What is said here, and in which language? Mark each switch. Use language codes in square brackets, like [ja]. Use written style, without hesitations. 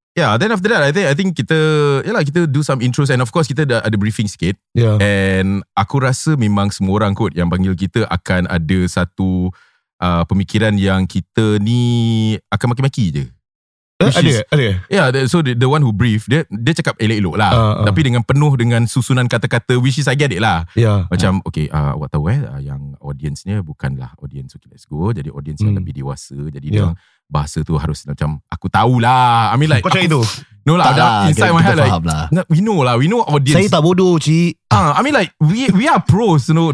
[en] Yeah, then after that I think [ms] kita, yalah, kita [en] do some intros. And of course [ms] kita dah ada briefing sikit. [en] Yeah. [ms] And aku rasa memang semua orang kot yang panggil kita akan ada satu pemikiran yang kita ni akan maki-maki je. Ada. [en] Yeah, so the one who brief [ms] dia cakap elok-elok lah. Tapi dengan penuh dengan susunan kata-kata, [en] which is I get it [ms] lah. [en] Yeah. [ms] Macam okay, awak tahu yang audience ni bukanlah audience, [en] okay let's go. [ms] Jadi audience yang lebih dewasa. Jadi yang bahasa tu harus macam, aku tahulah. [en] I mean like, [ms] kau cakap itu? [en] No lah, dah inside my head like, we know lah, we know audience. [ms] Saya tak bodoh cik. [en] I mean like, we are pros, you know.